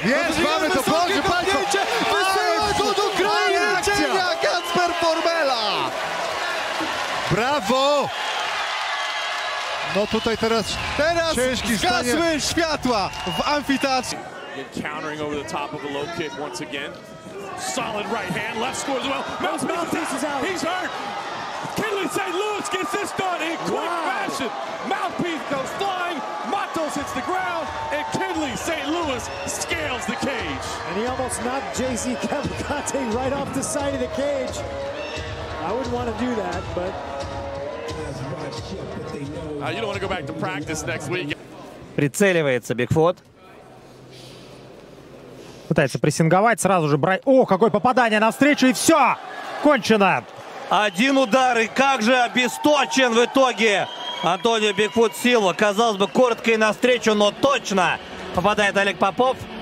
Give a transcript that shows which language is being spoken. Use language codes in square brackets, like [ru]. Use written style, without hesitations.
[pl] Yes, mamy to proszę Państwa. Wysyła go do kraju cienia Kacper Formela. Brawo. No tutaj teraz ciężki stanie. Gasły światła w amfiteatrze. [en] Encountering over the top of a low kick once again. Solid right hand, left scores well. Mouth pieces out. He's hurt. Kinley St. Louis gets this done in quick fashion. Mouthpiece goes flying. Matos hits the ground. And Kinley St. Louis scales the cage. And he almost knocked JZ Cavalcante right off the side of the cage. I wouldn't want to do that, but. You don't want to go back to practice next week. [ru] Прицеливается Бигфут. Пытается прессинговать. Сразу же брать. О, какое попадание навстречу. И все. Кончено. Один удар, и как же обесточен в итоге Антонио Бигфут Силва. Казалось бы, коротко и навстречу, но точно попадает Олег Попов.